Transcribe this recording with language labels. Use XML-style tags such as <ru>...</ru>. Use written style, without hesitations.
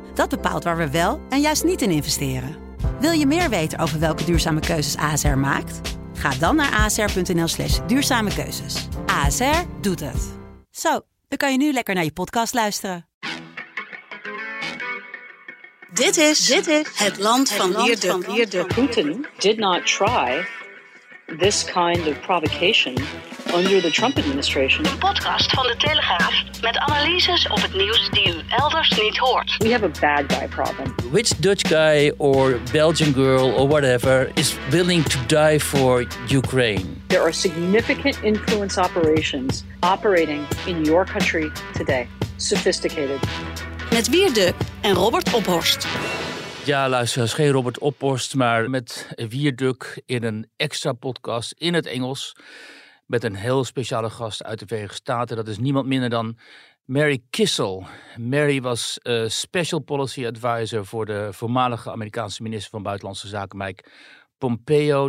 <nl>Dat bepaalt waar we wel en juist niet in investeren. Wil je meer weten over welke duurzame keuzes ASR maakt? Ga dan naar asr.nl/duurzamekeuzes. ASR doet het. Zo, dan kan je nu lekker naar je podcast luisteren. Dit is het land van Leerde</nl> <en>Putin did not try this kind of provocation under the Trump administration.</en> <nl>Een podcast van de Telegraaf met analyses op het nieuws die u elders niet hoort.</nl> <en>We have a bad guy problem. Which Dutch guy or Belgian girl or whatever is willing to die for Ukraine? There are significant influence operations operating in your country today. Sophisticated.</en> <nl>Met Wierde en Robert Ophorst. Ja, luister, is geen Robert Ophorst, maar met Wierduk in een extra podcast in het Engels. Met een heel speciale gast uit de Verenigde Staten. Dat is niemand minder dan Mary Kissel. Mary was special policy advisor voor de voormalige Amerikaanse minister van Buitenlandse Zaken, Mike Pompeo.</nl>